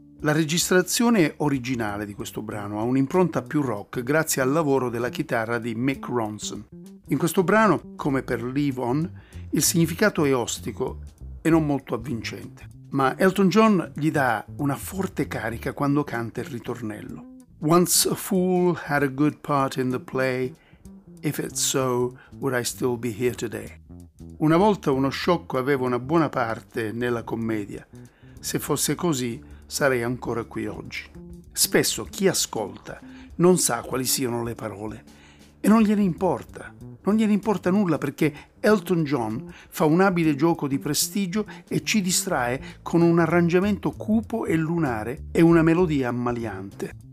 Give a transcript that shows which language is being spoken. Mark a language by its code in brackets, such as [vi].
[it] La registrazione originale di questo brano ha un'impronta più rock grazie al lavoro della chitarra di Mick Ronson. In questo brano, come per Live On, il significato è ostico e non molto avvincente. Ma Elton John gli dà una forte carica quando canta il ritornello. [en] Once a fool had a good part in the play, if it's so, would I still be here today? [it] Una volta uno sciocco aveva una buona parte nella commedia. Se fosse così, sarei ancora qui oggi. Spesso chi ascolta non sa quali siano le parole e non gliene importa. Non gliene importa nulla perché Elton John fa un abile gioco di prestigio e ci distrae con un arrangiamento cupo e lunare e una melodia ammaliante.